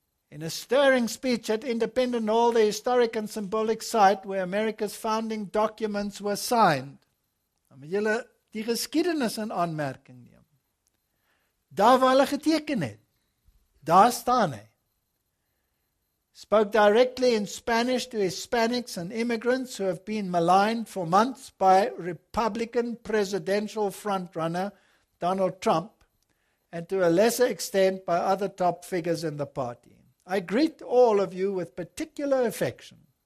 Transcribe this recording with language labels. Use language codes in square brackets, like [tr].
[en] In a stirring speech at Independence Hall, the historic and symbolic site where America's founding documents were signed. [af] Dan moet julle die geskiedenis in aanmerking neem. Daar waar hulle geteken het, daar staan hy. [en] Spoke directly in Spanish to Hispanics and immigrants who have been maligned for months by Republican presidential frontrunner Donald Trump and to a lesser extent by other top figures in the party. I greet all of you with particular affection.